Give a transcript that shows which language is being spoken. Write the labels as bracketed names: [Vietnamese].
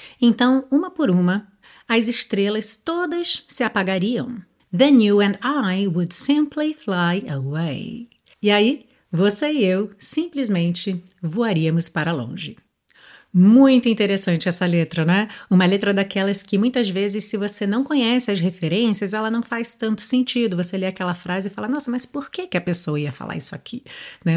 [Portuguese] Então, uma por uma, as estrelas todas se apagariam. [English] Then you and I would simply fly away. [Portuguese] E aí, você e eu simplesmente voaríamos para longe. Muito interessante essa letra, né? Uma letra daquelas que muitas vezes, se você não conhece as referências, ela não faz tanto sentido. Você lê aquela frase e fala, nossa, mas por que a pessoa ia falar isso aqui, né?